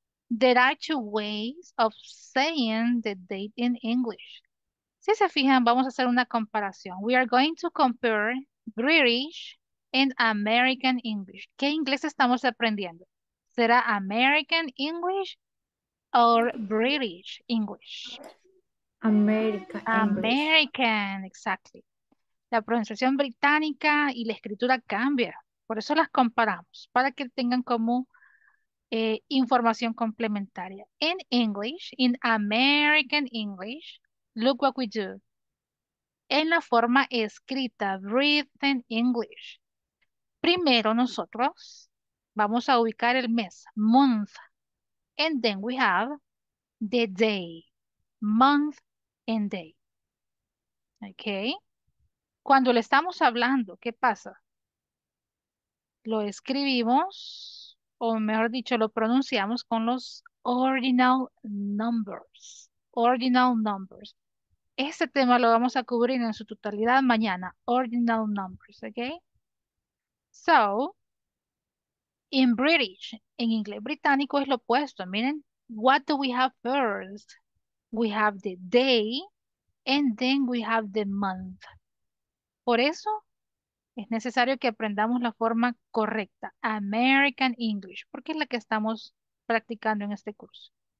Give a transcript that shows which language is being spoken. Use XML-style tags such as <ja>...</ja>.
<en>There are two ways of saying the date in English.</en> <es>Si se fijan, vamos a hacer una comparación.</es> <en>We are going to compare British and American English.</en> <es>¿Qué inglés estamos aprendiendo? ¿Será</es> <en>American English or British English? American English. American, exactly.</en> <es>La pronunciación británica y la escritura cambia. Por eso las comparamos, para que tengan como información complementaria.</es> <en>In English, in American English, look what we do.</en> <es>En la forma escrita,</es> <en>written English.</en> <es>Primero nosotros vamos a ubicar el mes, month.</es> <en>And then we have the day, month and day.</en> <es>¿Ok? Cuando le estamos hablando, ¿qué pasa? Lo escribimos, o mejor dicho, lo pronunciamos con los ordinal numbers. Ordinal numbers. Este tema lo vamos a cubrir en su totalidad mañana.</es> <en>Ordinal numbers,</en> <es>¿ok?</es> <en>So, in British,</en> <es>en inglés británico es lo opuesto.</es> <en>Miren, what do we have first? We have the day, and then we have the month.</en> <es>Por eso, es necesario que aprendamos la forma correcta, American English, porque es la que estamos practicando en este curso.</es>